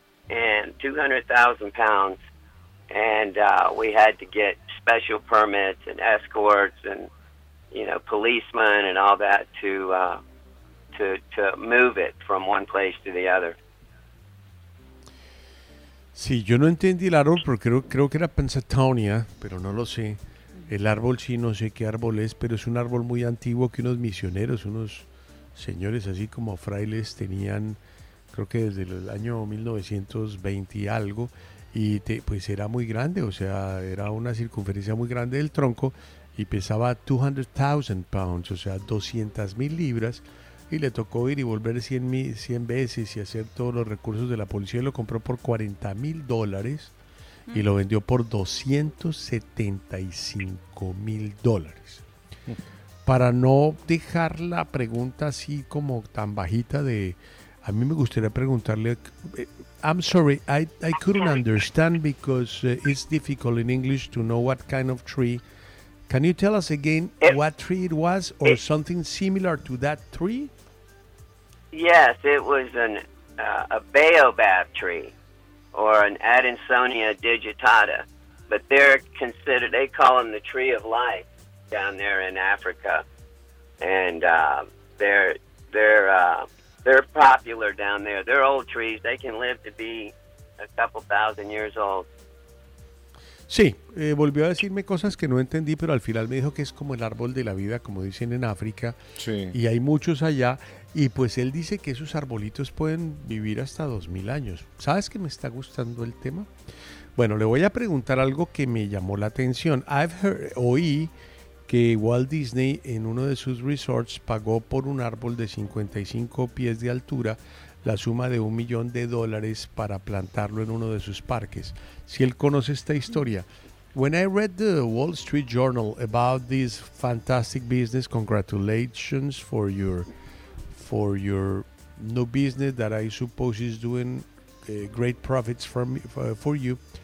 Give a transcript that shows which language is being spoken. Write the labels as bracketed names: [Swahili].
[English] And 200,000 pounds, and we had to get special permits and escorts and, you know, policemen and all that to move it from one place to the other. [Spanish] Sí, yo no entendí el árbol, pero creo que era Pensatonia, pero no lo sé. El árbol sí, no sé qué árbol es, pero es un árbol muy antiguo que unos misioneros, unos señores así como frailes tenían. Creo que desde el año 1920 y algo, y pues era muy grande, o sea, era una circunferencia muy grande del tronco y pesaba 200,000 pounds, o sea, 200,000 libras, y le tocó ir y volver 100 veces y hacer todos los recursos de la policía, y lo compró por $40,000 y lo vendió por $275,000. Para no dejar la pregunta así como tan bajita de... A mí me gustaría preguntarle, [English] I'm sorry, I couldn't understand because it's difficult in English to know what kind of tree. Can you tell us again what tree it was or something similar to that tree? Yes, it was a baobab tree or an Adansonia digitata. But they're considered, they call them the tree of life down there in Africa. And they're popular down there. They're old trees. They can live to be a couple thousand years old. [Spanish] Sí, volvió a decirme cosas que no entendí, pero al final me dijo que es como el árbol de la vida, como dicen en África. Sí. Y hay muchos allá. Y pues él dice que esos arbolitos pueden vivir hasta 2,000 años. ¿Sabes que me está gustando el tema? Bueno, le voy a preguntar algo que me llamó la atención. Oí que Walt Disney en uno de sus resorts pagó por un árbol de 55 pies de altura la suma de $1,000,000 para plantarlo en uno de sus parques. Si él conoce esta historia. [English] When I read the Wall Street Journal about this fantastic business, congratulations for your new business that I suppose is doing great profits for you.